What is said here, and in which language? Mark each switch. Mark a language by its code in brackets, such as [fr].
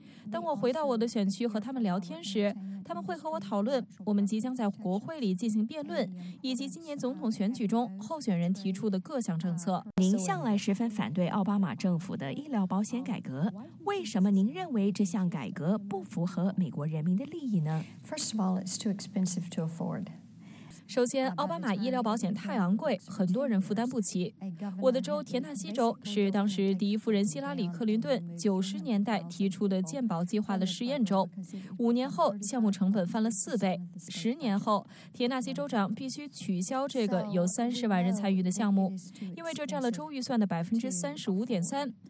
[zh] 当我回到我的选区和他们聊天时，他们会和我讨论我们即将在国会里进行辩论，以及今年总统选举中候选人提出的各项政策。您向来十分反对奥巴马政府的医疗保险改革，为什么您认为这项改革不符合美国人民的利益呢？ [en] First of all, it's too expensive to afford. [zh] 首先，奥巴马医疗保险太昂贵，很多人负担不起。我的州田纳西州是当时第一夫人希拉里·克林顿90年代提出的健保计划的试验州。五年后，项目成本翻了4倍。10年后，田纳西州长必须取消这个有30万人参与的项目，因为这占了州预算的35.3%。